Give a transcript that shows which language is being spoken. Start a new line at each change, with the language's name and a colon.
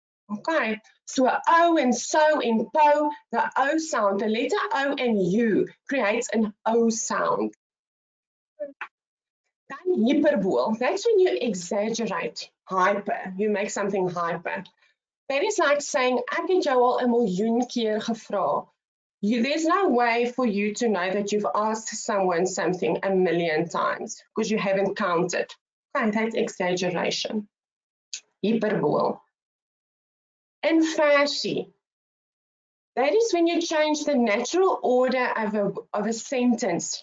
English: Okay, so O and so in pou, the O sound, the letter O and U creates an O sound. Dan hyperbool, that's when you exaggerate, hyper, you make something hyper. That is like saying,
Afrikaans: ek het jou al 'n miljoen keer gevra.
English: There's no way for you to know that you've asked someone something a million times because you haven't counted. Okay, that's exaggeration. Hyperbole. Inversie. That is when you change the natural order of a sentence.